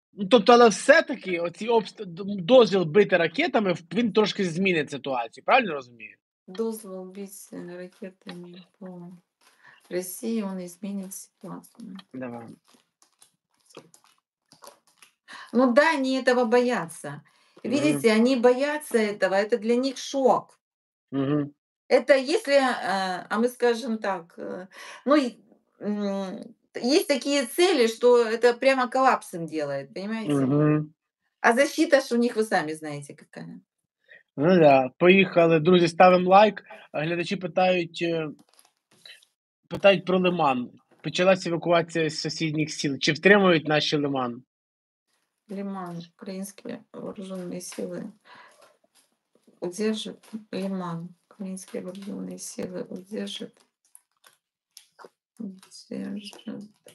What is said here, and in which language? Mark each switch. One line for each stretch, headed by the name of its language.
Ukrainian: Тобто, але все-таки оці дозвіл бити ракетами, він трошки змінить ситуацію, правильно розумію? Дозвіл бити ракетами по Росії, він змінить ситуацію. Давай. Ну да, вони цього бояться. Видите, вони бояться цього, це для них шок.
Russian: Это если, а мы скажем так, ну, есть такие цели, что это прямо коллапсом делает, понимаете? А защита ж у них, вы сами знаете, какая. Ну да, поехали.
Ukrainian: Друзі, ставим лайк. Глядачі питають про Лиман. Почалась евакуація з сусідніх сіл. Чи втримують наші Лиман? Лиман, українські вооружені сили.
Russian: Удержит Лиман. Украинские вооруженные силы удержит. Удержит.